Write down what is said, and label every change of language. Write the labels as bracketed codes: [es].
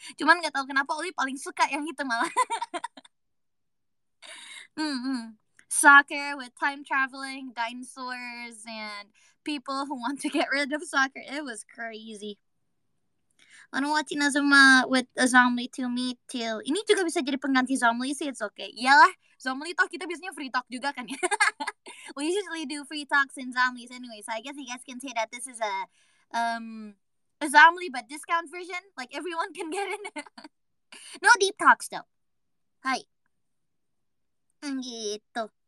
[id] Cuman gak tahu kenapa Oli paling suka yang itu malah. [en] Soccer with time traveling, dinosaurs, and people who want to get rid of soccer. It was crazy. Wanna watch Inazuma with a zombie to me till... [id] Ini juga bisa jadi pengganti zombie sih, [en] it's okay. [id] Iyalah, zombie talk kita biasanya free talk juga kan ya. [en] We usually do free talks in zombies anyway, so I guess you guys can say that this is a zombie but discount version. Like, everyone can get in. No deep talks though. Hai. Gitu.